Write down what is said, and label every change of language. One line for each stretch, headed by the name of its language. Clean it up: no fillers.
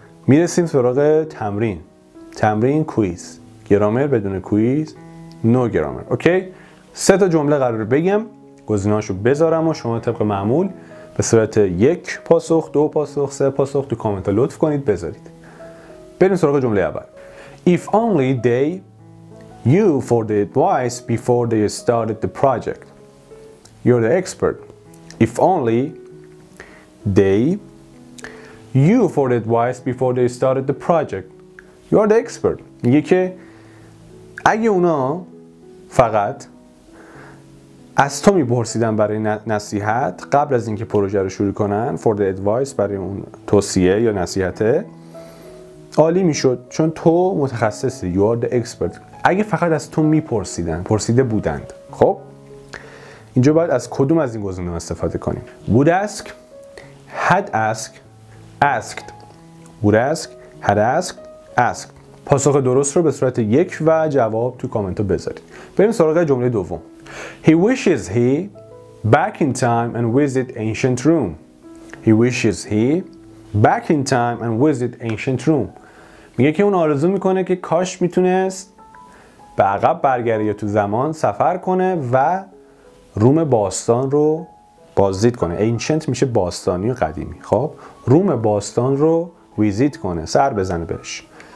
Persian: میرسیم سراغ تمرین. تمرین کویز. گرامر بدون کویز نو گرامر. اوکی سه تا جمله قرار بگم، گزینه‌هاشو بذارم و شما طبق معمول به صورت یک پاسخ، دو پاسخ، سه پاسخ تو کامنت ها لطف کنید بذارید. بریم سراغ جمله اول.
English: If only they you for the advice before they started the project. You're the expert. If only they you for the advice before they started the project. You're the expert.
Persian: میگه که اگه اونا فقط از تو میپرسیدن برای نصیحت قبل از اینکه پروژه رو شروع کنن،
English: for the advice
Persian: برای اون توصیه یا نصیحته، عالی میشد چون تو متخصصی.
English: You are the expert.
Persian: اگه فقط از تو میپرسیدن، پرسیده بودند. خب اینجا باید از کدوم از این گزینه‌ها استفاده کنیم؟
English: Would ask، had ask، asked. Would ask, had asked, asked.
Persian: پاسخ درست رو به صورت یک و جواب تو کامنت ها بذارید. بریم سراغ جمله دوم.
English: He wishes he back in time and visit ancient Rome. He wishes he back in time and visit ancient Rome.
Persian: میگه که اون آرزو میکنه که کاش میتونست به عقب برگره یا تو زمان سفر کنه و روم باستان رو بازدید کنه. ancient میشه باستانی و قدیمی. خب روم باستان رو ویزیت کنه، سر بزنه بهش.